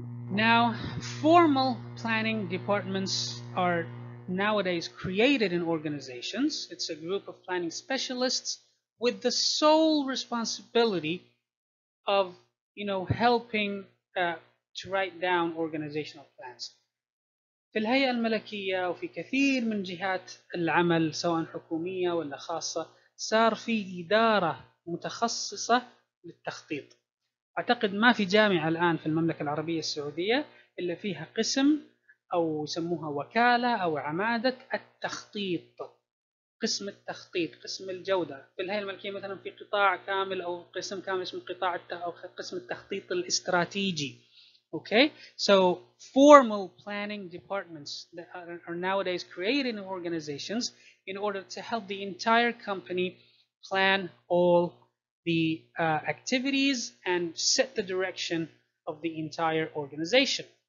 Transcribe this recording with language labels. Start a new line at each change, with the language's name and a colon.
English: Now, formal planning departments are nowadays created in organizations. It's a group of planning specialists with the sole responsibility of, you know, helping to write down organizational plans.
Arabic: في الهيئة الملكية وفي كثير من جهات العمل سواء حكومية ولا خاصة صار في إدارة متخصصة للتخطيط. أعتقد ما في جامعة الآن في المملكة العربية السعودية إلا فيها قسم أو يسموها وكالة أو عمادة التخطيط. قسم التخطيط، قسم الجودة. في الهيئة الملكية مثلا في قطاع كامل أو قسم كامل اسمه قطاع أو قسم التخطيط الاستراتيجي.
English: Okay, so formal planning departments that are nowadays created in organizations in order to help the entire company plan all the activities and set the direction of the entire organization.